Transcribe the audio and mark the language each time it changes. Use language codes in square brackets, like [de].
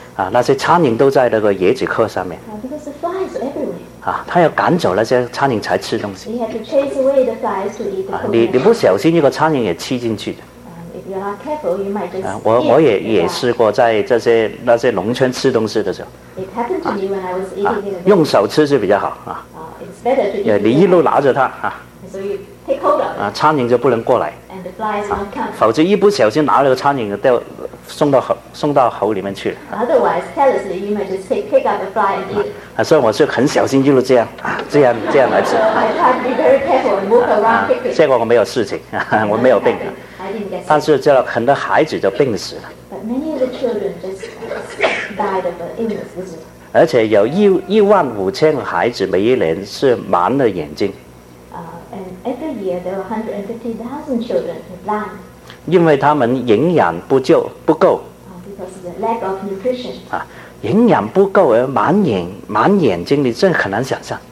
[zh] 那些苍蝇都在那个椰子壳上面。 [en] Because the flies are everywhere. [zh] 他要赶走那些苍蝇才吃东西。 [en] He had to chase away the flies to eat the coconut. [zh] 你不小心，一个苍蝇也吃进去的。 [en] If you're not careful, you might just eat. [zh] 我也试过在那些农村吃东西的时候。 [en] It happened to me when I was eating. [zh] 用手吃是比较好啊。 [en] It's better to eat. [zh] 你一路拿着它啊。 [en] So you take hold of. [zh] 苍蝇就不能过来。 [en] And the flies won't come. [zh] 否则一不小心拿了个苍蝇就掉。送到喉里面去了。 [en] Otherwise, carelessly, you might just pick up the fly and eat. [zh] 所以我是很小心，一路这样来吃。 [en] So I try to be very careful and move around quickly. [zh] 结果我没有事情，我没有病。 [en] I didn't get sick. [zh] 但是这很多孩子就病死了。 [en] But many of the children just died of an illness, isn't it? [zh] 而且有15,000个孩子每一年是盲了眼睛。 [en] And every year there are 150,000 children blind. [zh] 因为他们营养不够。 [en] Because of the lack of nutrition. [zh] 营养不够而盲眼睛，你真很难想象。